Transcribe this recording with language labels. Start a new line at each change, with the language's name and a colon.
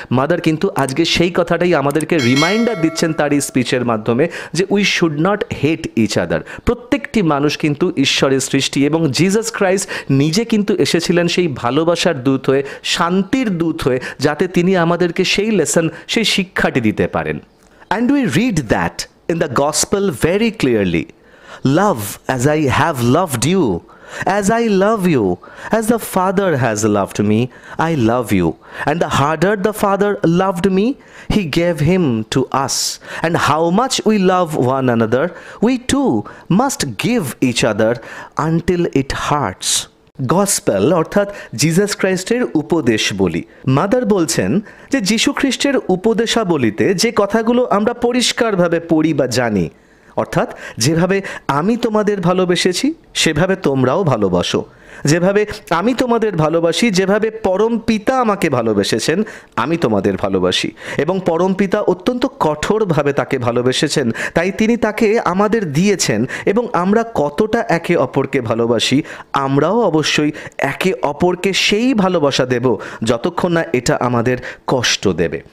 Bangla: Mother কিন্তু আজকে সেই কথাটাই আমাদেরকে রিমাইন্ডার দিচ্ছেন তার এই স্পিচের মাধ্যমে যে
English: we should not hate each other,
Bangla: প্রত্যেকটি মানুষ কিন্তু ঈশ্বরের সৃষ্টি, এবং জিজাস ক্রাইস্ট নিজে কিন্তু এসেছিলেন সেই ভালোবাসার দূত হয়ে, শান্তির দূত হয়ে, যাতে তিনি আমাদেরকে সেই লেসন, সেই শিক্ষাটি দিতে পারেন।
English: And we read that in the gospel very clearly. Love as I have loved you, as I love you, as the Father has loved me, I love you. And the harder the Father loved me, he gave him to us. And how much we love one another, we too must give each other until it hurts.
Bangla: Gospel অর্থাৎ Jesus খ্রাইস্টের উপদেশ বলি। Mother বলছেন যে যীশু খ্রিস্টের উপদেশাবলিতে যে কথাগুলো আমরা পরিষ্কারভাবে পড়ি বা জানি, অর্থাৎ যেভাবে আমি তোমাদের ভালোবেসেছি সেভাবে তোমরাও ভালোবাসো, যেভাবে আমি তোমাদের ভালোবাসি, যেভাবে পরম পিতা আমাকে ভালোবেসেছেন আমি তোমাদের ভালোবাসি, এবং পরম পিতা অত্যন্ত কঠোরভাবে তাকে ভালোবেসেছেন, তাই তিনি তাকে আমাদের দিয়েছেন, এবং আমরা কতটা একে অপরকে ভালোবাসি আমরাও অবশ্যই একে অপরকে সেই ভালোবাসা দেব যতক্ষণ না এটা আমাদের কষ্ট দেবে।